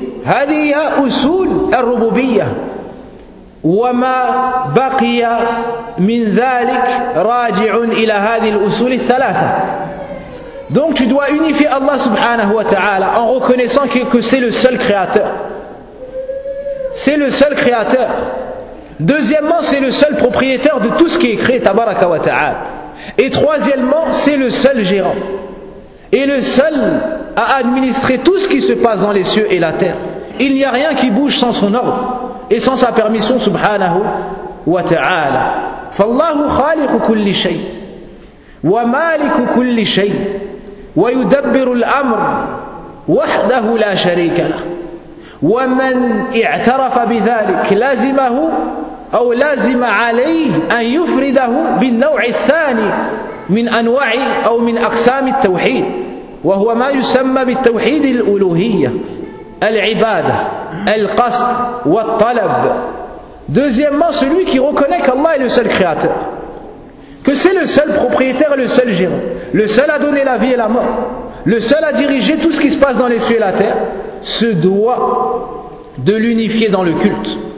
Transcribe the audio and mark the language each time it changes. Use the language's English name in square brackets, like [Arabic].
[Arabic] هذه أصول الربوبية وما بقي من ذلك راجع إلى هذه الأصول الثلاثة. [French] Donc tu dois unifier Allah [Arabic] subhanahu wa ta'ala [French] en reconnaissant que c'est le seul créateur. C'est le seul créateur. Deuxièmement, c'est le seul propriétaire de tout ce qui est créé, [Arabic] tabaraka wa ta'ala. [French] Et troisièmement, c'est le seul gérant. Et le seul à administrer tout ce qui se passe dans les cieux et la terre. Il n'y a rien qui bouge sans son ordre et sans sa permission, [Arabic] subhanahu wa ta'ala. Fallahu khaliq kulli shay. ومالك كل شيء ويدبر الأمر وحده لا شريك له ومن اعترف بذلك لازمه أو لازم عليه أن يفرده بالنوع الثاني من أنواع أو من أقسام التوحيد وهو ما يسمى بالتوحيد الألوهية العبادة القصد والطلب. [French] Deuxièmement, celui qui reconnaît qu'Allah est le seul créateur, que c'est le seul propriétaire et le seul gérant, le seul à donner la vie et la mort, le seul à diriger tout ce qui se passe dans les cieux et la terre, se doit de l'unifier dans le culte.